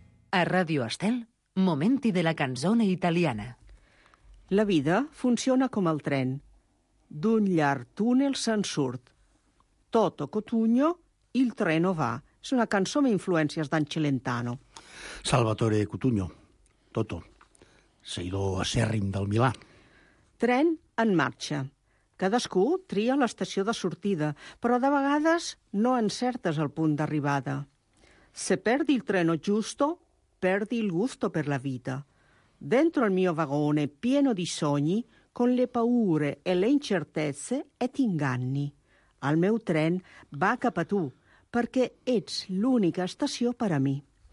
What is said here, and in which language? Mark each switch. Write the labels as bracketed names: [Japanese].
[Italian] A Radio Estel, Momenti de la canzone italiana. [Catalan] La vida funciona com el tren. D'un llarg túnel se'n surt. [Italian] Toto cotugno, il treno va. [Catalan] És una cançó amb influències d'en Celentano. Salvatore Cotugno, Toto, seguidor acèrrim del Milà. Tren en marxa. Cadascú tria l'estació de sortida, però de vegades no encertes el punt d'arribada. [Italian] Se perdi il treno giusto, perdi il gusto per la vita. Dentro al mio vagone, pieno di sogni, con le paure e le incertezze, e ti inganni. [Catalan] Al meu tren va cap a tu, perché ets l'unica stazione per a me.